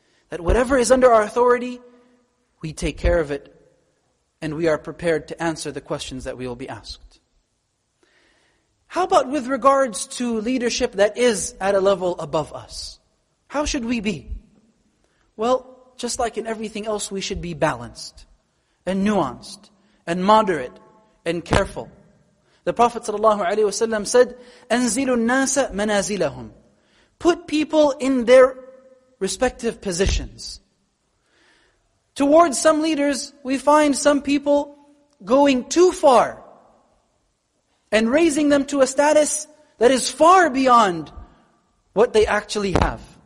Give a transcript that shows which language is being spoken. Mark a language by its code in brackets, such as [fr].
[en] That whatever is under our authority, we take care of it, and we are prepared to answer the questions that we will be asked. How about with regards to leadership that is at a level above us? How should we be? Well, just like in everything else, we should be balanced and nuanced and moderate and careful. The Prophet ﷺ said, [ar] أَنزِلُ النَّاسَ مَنَازِلَهُمْ. [en] Put people in their respective positions. Towards some leaders, we find some people going too far and raising them to a status that is far beyond what they actually have.